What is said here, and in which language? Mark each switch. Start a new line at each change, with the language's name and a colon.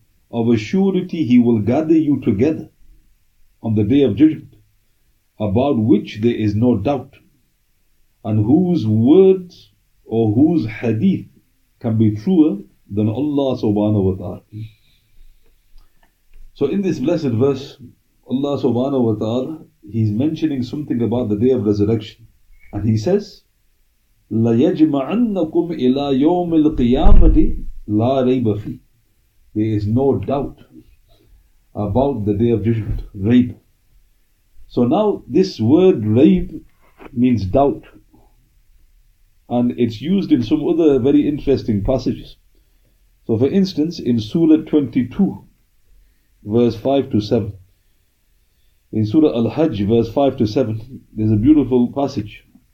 English: Of a surety He will gather you together on the day of judgment, about which there is no doubt, and whose words or whose hadith can be truer than Allah subhanahu wa ta'ala. So in this blessed verse, Allah subhanahu wa ta'ala, He's mentioning something about the day of resurrection. And He says,
Arabic: لَيَجْمَعَنَّكُمْ إِلَىٰ يَوْمِ الْقِيَامَةِ لَا رَيْبَ فِي.
English: There is no doubt about the day of judgment, rayb. So now this word rayb means doubt. And it's used in some other very interesting passages. So for instance, in Surah 22, verse 5 to 7, in Surah Al-Hajj, verse 5 to 7, there's a beautiful passage.